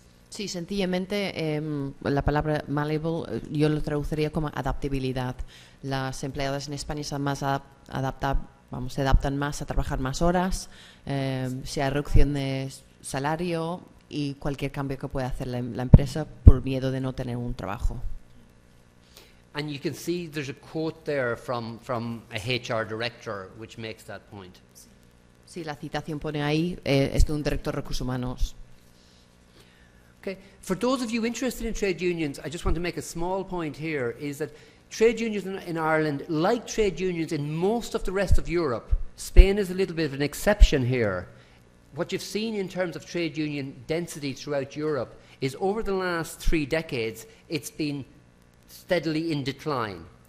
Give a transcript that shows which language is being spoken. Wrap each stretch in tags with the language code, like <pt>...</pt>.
<es>Sí, sencillamente, la palabra malleable yo lo traduciría como adaptabilidad. Las empleadas en España son más se adaptan más a trabajar más horas, si hay reducción de salario y cualquier cambio que pueda hacer la empresa por miedo de no tener un trabajo.</es> <en>And you can see there's a quote there from a HR director which makes that point.</en> <es>Sí, la citación pone ahí, es de un director de recursos humanos.</es> <en>Okay, for those of you interested in trade unions, I just want to make a small point here, is that trade unions in Ireland, like trade unions in most of the rest of Europe, Spain is a little bit of an exception here. What you've seen in terms of trade union density throughout Europe is over the last three decades, it's been steadily in decline.</en>